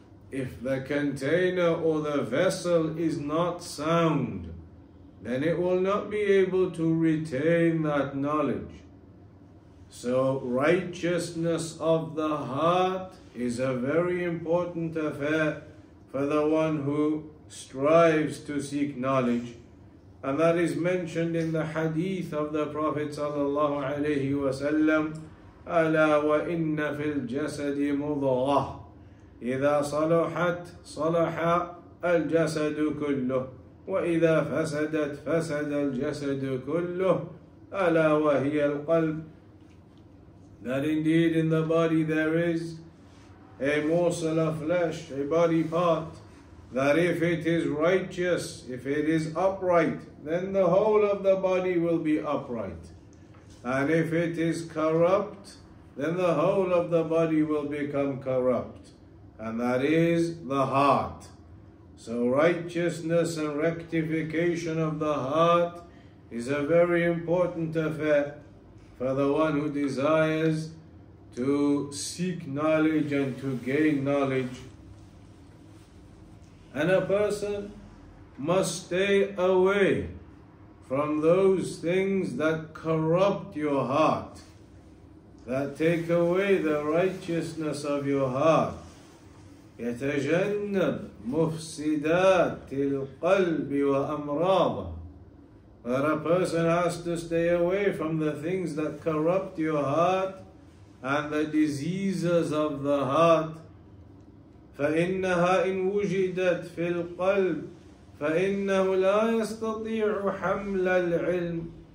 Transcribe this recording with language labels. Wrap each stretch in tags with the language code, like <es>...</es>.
<en>If the container or the vessel is not sound, then it will not be able to retain that knowledge. So righteousness of the heart is a very important affair for the one who strives to seek knowledge. And that is mentioned in the hadith of the Prophet sallallahu alayhi wa sallam,</en> <ar>أَلَا وَإِنَّ فِي الْجَسَدِ مُضْغَةٌ إِذَا صَلُحَتْ صَلَحَ الْجَسَدُ كُلُّهُ وَإِذَا فَسَدَتْ فَسَدَ الْجَسَدُ كُلُّهُ أَلَا وَهِيَ الْقَلْبُ.</ar> <en>That indeed in the body there is a morsel of flesh, a body part, that if it is righteous, if it is upright, then the whole of the body will be upright. And if it is corrupt, then the whole of the body will become corrupt. And that is the heart. So righteousness and rectification of the heart is a very important affair for the one who desires to seek knowledge and to gain knowledge. And a person must stay away from those things that corrupt your heart, that take away the righteousness of your heart.</en> <ar>يتجنب مفسدات القلب وأمراضه.</ar> <en>That a person has to stay away from the things that corrupt your heart and the diseases of the heart.</en> <ar>فَإِنَّهَا إِنْ وُجِدَتْ فِي الْقَلْبِ فَإِنَّهُ لَا يَسْتَطِيعُ حَمْلَ الْعِلْمِ.</ar>